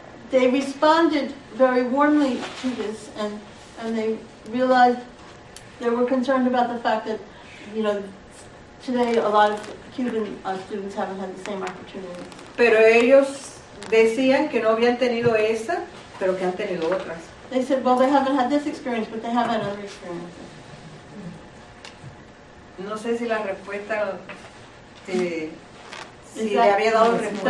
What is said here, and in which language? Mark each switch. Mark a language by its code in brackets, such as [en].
[en] They responded very warmly to this and they realized they were concerned about the fact that, you know, today, a lot of Cuban students haven't had the same opportunity. [es] Pero ellos decían que no habían tenido esa, pero que han tenido otras. [en] They said, well, they haven't had this experience, but they have had other experiences. [es] No sé si la respuesta si le había dado respuesta.